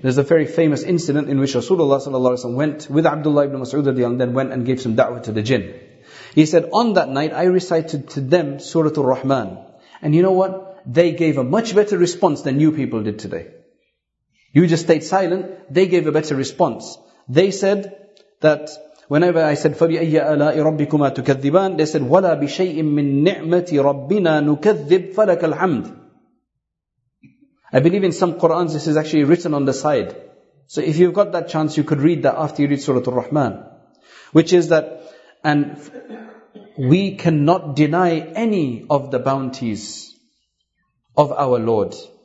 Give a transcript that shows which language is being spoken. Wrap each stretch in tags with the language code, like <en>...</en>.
<en>There's a very famous incident in which Rasulullah sallallahu alaihi wasallam went with Abdullah ibn Mas'ud radiallahu anhu and then went and gave some da'wah to the jinn. He said, on that night I recited to them Surah Al-Rahman. And you know what? They gave a much better response than you people did today. You just stayed silent, they gave a better response. They said that whenever I said,</en> <ar>فَبِأَيَّ آلَاءِ رَبِّكُمَا تُكَذِّبَانِ,</ar> <en>they said,</en> <ar>وَلَا بِشَيْءٍ مِّن نِعْمَةِ رَبِّنَا نُكَذِّبْ فَلَكَ الْحَمْدِ.</ar> <en>I believe in some Qur'ans this is actually written on the side. So if you've got that chance, you could read that after you read Surah Al-Rahman. Which is that, and we cannot deny any of the bounties of our Lord.</en>